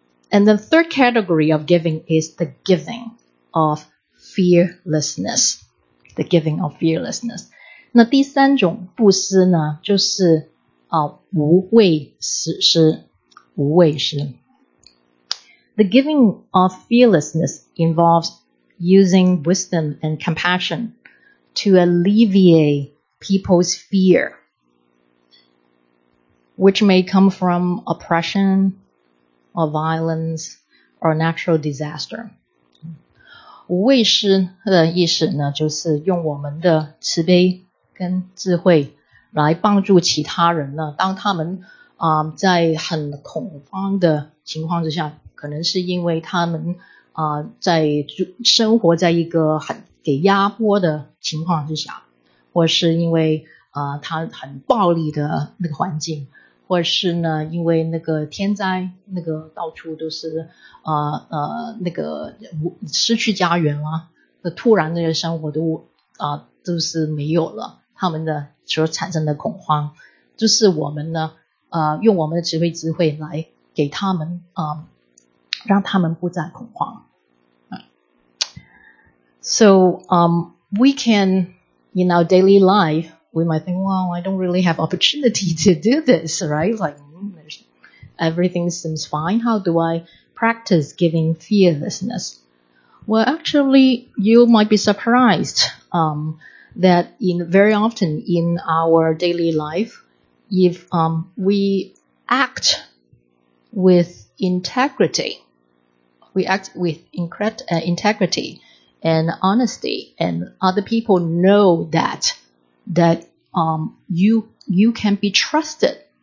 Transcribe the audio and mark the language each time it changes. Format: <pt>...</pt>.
<en>And the third category of giving is the giving of fearlessness. The giving of fearlessness.</en> <zh>那第三种布施呢，就是无畏施施，无畏施。</zh> <en>The giving of fearlessness involves using wisdom and compassion to alleviate people's fear, which may come from oppression,or violence, or natural disaster.</en> <zh>无畏施的意思呢，就是用我们的慈悲跟智慧来帮助其他人呢。当他们在很恐慌的情况之下，可能是因为他们在生活在一个很给压迫的情况之下，或是因为他很暴力的那个环境。或是呢因为那个天灾那个到处都是那个失去家园啊，突然那些生活都是没有了，他们的所产生的恐慌，就是我们呢用我们的慈悲智慧来给他们让他们不再恐慌。</zh> <en>So, we can, in our daily life,we might think, well, I don't really have opportunity to do this, right? Like, everything seems fine. How do I practice giving fearlessness? Well, actually, you might be surprised that very often in our daily life, if we act with integrity, we act with integrity and honesty, and other people know that you can be trusted</en>